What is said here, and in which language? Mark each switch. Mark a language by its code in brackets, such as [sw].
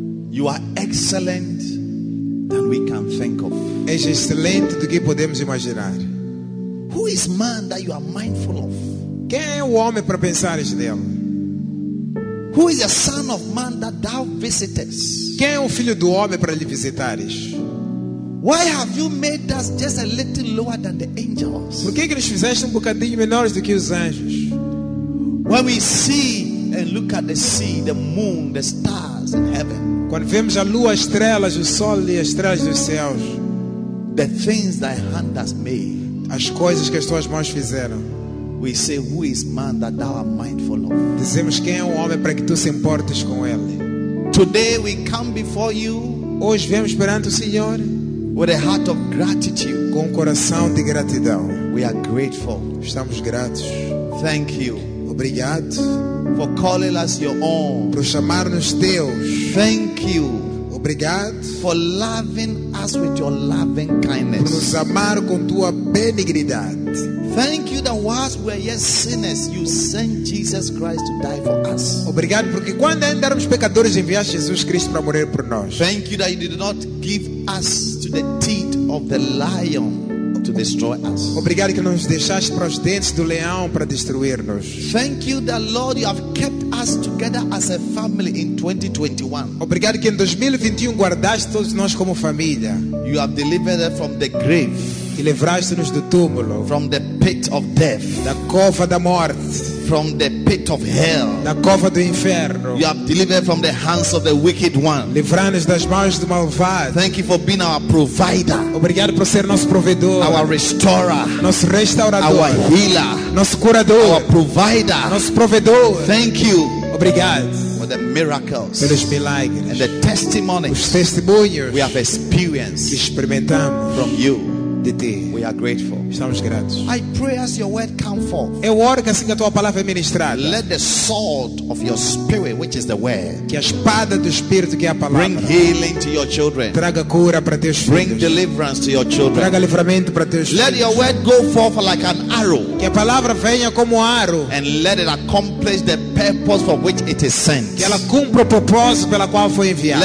[en] You are excellent than we can think of. [pt] És excelente do que podemos imaginar. [en] Who is man that you are mindful of? [pt] Quem é o homem para pensares nele? [en] Who is the son of man that thou visitest? [pt] Quem é o filho do homem para lhe visitares? [en] Why have you made us just a little lower than the angels? [pt] Por que que nos fizeste bocadinho menores do que os anjos? [en] When we see and look at the sea, the moon, the stars in heaven. [pt] Quando vemos a lua, as estrelas, o sol e as estrelas dos céus. [en] The things thy hand has made. [pt] As coisas que as tuas mãos fizeram. [en] We say, who is man that thou art mindful of? [pt] Dizemos, quem é o homem para que tu se importes com ele? [en] Today we come before you. [pt] Hoje viemos perante o Senhor. [en] With a heart of gratitude. [pt] Com um coração de gratidão. [en] We are grateful. [pt] Estamos gratos. [en] Thank you. [pt] Obrigado. [en] For calling us your own. [pt] Por chamar-nos teus. [en] Thank you. [pt] Obrigado. [en] For loving us with your loving kindness. [pt] Por nos amar com tua benignidade. [en] Thank you that whilst we are yet sinners, you sent Jesus Christ to die for us. [pt] Obrigado porque quando ainda éramos pecadores enviaste Jesus Cristo para morrer por nós. [en] Thank you that you did not give us to the teeth of the lion. to destroy us. [pt] Obrigado que não nos deixaste para os dentes do leão para destruir-nos. [en] Thank you that Lord you have kept us together as a family in 2021. [pt] Obrigado que em 2021 guardaste todos nós como família. [en] You have delivered us from the grave. [pt] E livraste-nos do túmulo. [en] From the pit of death. [pt] Da cova da morte. [en] From the pit of hell. [pt] Da cova do inferno. [en] You have delivered from the hands of the wicked one. [pt] Livrai-nos das mãos do malvado. [en] Thank you for being our provider. [pt] Obrigado por ser nosso provedor. [en] Our restorer. [pt] Nosso restaurador. [en] Our healer. [pt] Nosso curador. [en] Our provider. [pt] Nosso provedor. [en] Thank you. [pt] Obrigado. [en] For the miracles. [pt] Pelos milagres. [en] And the testimonies. [pt] Os testemunhos. [en] We have experienced. [pt] Experimentamos. [en] From you. [pt] De ti. [en] We are grateful. [pt] Estamos gratos. [en] I pray as your word come forth. [pt] Eu oro que assim que a tua palavra é ministrada. [en] Let the sword of your spirit, which is the word, [pt] que a espada do espírito que é a palavra, [en] bring healing to your children. [pt] Traga cura para teus filhos. [en] Bring deliverance to your children. [pt] Traga livramento para teus filhos. [en] Let your word go forth like an arrow. [pt] Que a palavra venha como um arrow. [en] And let it accomplish the purpose for which it is sent. [pt] Que ela cumpra o propósito pela qual foi enviada.